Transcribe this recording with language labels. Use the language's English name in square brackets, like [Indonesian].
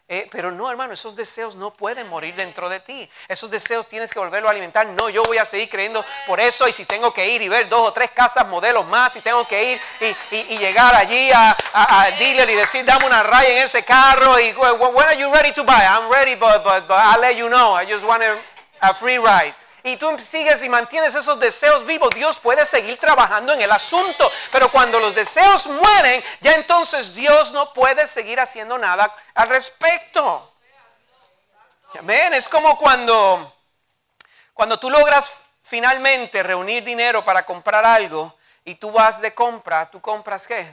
[Spanish] Pero no, hermano, esos deseos no pueden morir dentro de ti. Esos deseos tienes que volverlo a alimentar. No, yo voy a seguir creyendo por eso. Y si tengo que ir y ver 2 o 3 casas modelos más, si tengo que ir y llegar allí a dealer y decir, dame una raya en ese carro. [English] Y when are you ready to buy? I'm ready, but I'll let you know. I just want a free ride. [Spanish] Y tú sigues y mantienes esos deseos vivos. Dios puede seguir trabajando en el asunto. Pero cuando los deseos mueren, ya entonces Dios no puede seguir haciendo nada al respecto. Amén. Es como cuando tú logras finalmente reunir dinero para comprar algo y tú vas de compra, ¿tú compras qué?